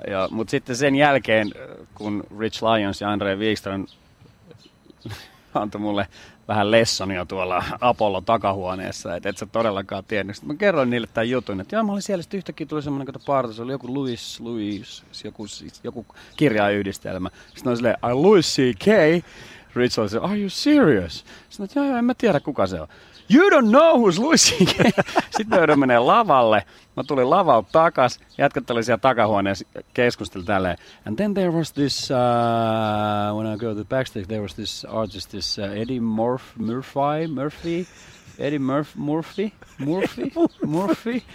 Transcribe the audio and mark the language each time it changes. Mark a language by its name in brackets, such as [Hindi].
[Finnish] Mutta sitten sen jälkeen, kun Rich Lyons ja Andre Wikström antoi mulle vähän lessonia tuolla Apollo takahuoneessa, että et sä todellakaan tiennyt. Sitten mä kerroin niille tämän jutun, että joo, mä olin siellä, sitten yhtäkkiä tuli semmoinen kato parta, se oli joku Louis, joku kirjayhdistelmä. Sitten on silleen, ai Louis C.K.? Rich oli silleen, [English] are you serious? [Finnish] Sitten on, joo, en mä tiedä kuka se on. [English] You don't know who's Louis C.K. [Finnish] Sitten joudun menee lavalle. Mä tulin lavalta takas. Jätkät oli siellä takahuoneessa ja keskusteli tälleen. [English] And then there was this, when I go to the backstage, there was this artist, this Eddie Murphy.